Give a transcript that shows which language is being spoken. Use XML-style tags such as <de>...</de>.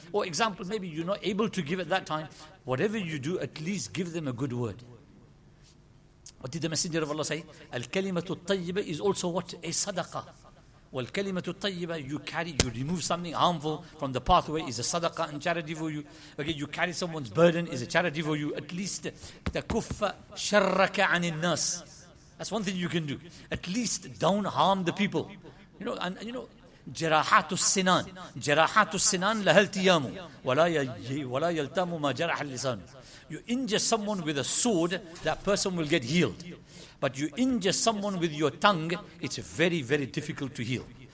<en>Or example, maybe you're not able to give at that time, whatever you do, at least give them a good word. What did the Messenger of Allah say? Al-kalimatu tayyibah is also what? A sadaqah.</en> <ar>وَالْكَلِمَةُ الطَّيِّبَةُ.</ar> <en>You carry, you remove something harmful from the pathway, is a sadaqah and charity for you. Okay, you carry someone's burden, is a charity for you. At least</en> <ar>تَكُفَّ شَرَّكَ عَنِ النَّاسِ.</ar> <en>That's one thing you can do. At least don't harm the people. You know, and you know,</en> <ar>جَرَاحَاتُ السِّنَانِ. جَرَاحَاتُ السِّنَانِ لَهَلْ تِيَامُ وَلَا يَلْتَامُ مَا جَرَحَ اللِّسَانُ.</ar> <en>You injure someone with a sword, that person will get healed. But you injure someone with your tongue, it's very, very difficult to heal.</en>